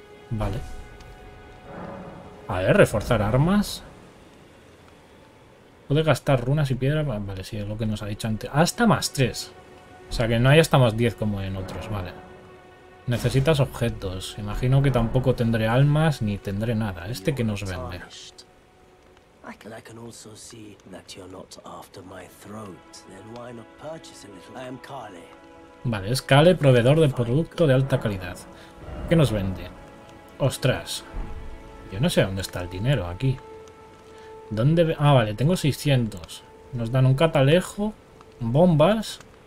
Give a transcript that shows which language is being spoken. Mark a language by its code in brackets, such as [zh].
[es] Vale. A ver, reforzar armas. Puedes gastar runas y piedras. Vale, sí, es lo que nos ha dicho antes. Hasta más 3. O sea que no hay hasta más 10 como en otros, vale. Necesitas objetos. Imagino que tampoco tendré almas ni tendré nada. Este que nos vende. [en] I can also see that you're not after my throat. Then why not purchase a little? I am Kale. [es] Vale, es Kale, proveedor de producto de alta calidad. ¿Qué nos vende? Ostras. Yo no sé dónde está el dinero aquí. ¿Dónde? Ah, vale, tengo 600. Nos dan un catalejo, bombas.